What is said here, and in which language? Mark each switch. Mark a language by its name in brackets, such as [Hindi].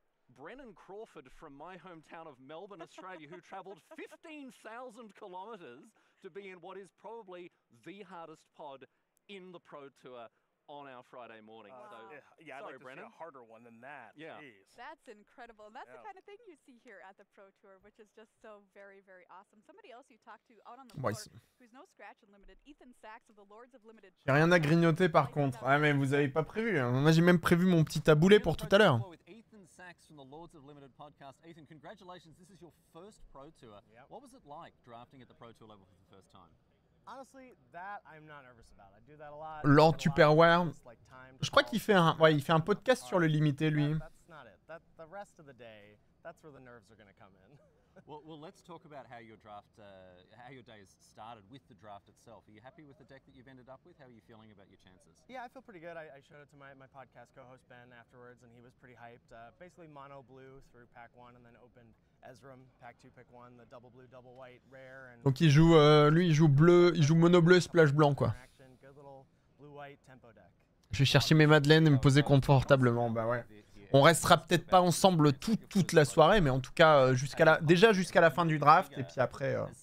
[English] Brennan Crawford from my hometown of Melbourne, Australia, who traveled 15,000 kilometers to be in what is probably the hardest pod in the Pro Tour on our Friday morning. So, yeah, sorry, Brennan. To see a harder one than that. Yeah. Jeez. That's incredible. And that's the kind of thing you see here at the Pro Tour, which is just so very, very awesome. Somebody else you talked to out on the floor, who's no scratch unlimited, Ethan Sachs of the Lords of Limited. [French] J'ai rien à grignoter par contre. Ah, mais vous avez pas prévu. Hein. Moi, j'ai même prévu mon petit taboulé pour tout à l'heure. [English] From the Lords of Limited podcast, Ethan, congratulations! This is your first Pro Tour. Yep. What was it like drafting at the Pro Tour level for the first time? Honestly, that I'm not nervous about. I do that a lot. Lord Tupperware. [French] Je crois qu'il fait un, ouais, il fait un podcast sur le limité, lui. [English] That's not it. That the rest of the day, that's where the nerves are going to come in. Well, let's talk about how your draft, how your day has started with the draft itself. Are you happy with the deck that you've ended up with? How are you feeling about your chances? Yeah, I feel pretty good. I showed it to my podcast co-host Ben afterwards, and he was pretty hyped. Basically, mono blue through pack one, and then opened Ezreum pack two, pick one, the double blue, double white, rare. And [French] donc il joue, lui, il joue bleu, il joue mono bleu splash blanc quoi. Je vais chercher mes madeleines et me poser confortablement. Bah ouais. On restera peut-être pas ensemble toute la soirée, mais en tout cas jusqu'à la fin du draft et puis après.